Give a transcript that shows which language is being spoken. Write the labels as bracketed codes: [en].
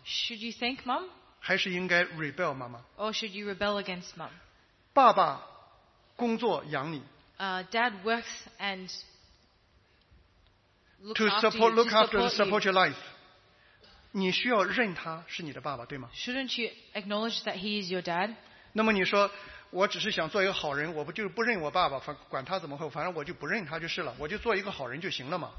[en] Should you thank mom? [zh] 还是应该 rebel 妈妈? [en] Or should you rebel against mom? [zh] 爸爸工作养你, [en] dad works and looks to support, after you, look after, to support your life. [zh] 你需要认他是你的爸爸, 对吗? [en] Shouldn't you acknowledge that he is your dad? [zh] 那么你说, 我只是想做一个好人, 我就不认我爸爸, 管他怎么会, 反正我就不认他就是了, 我就做一个好人就行了嘛。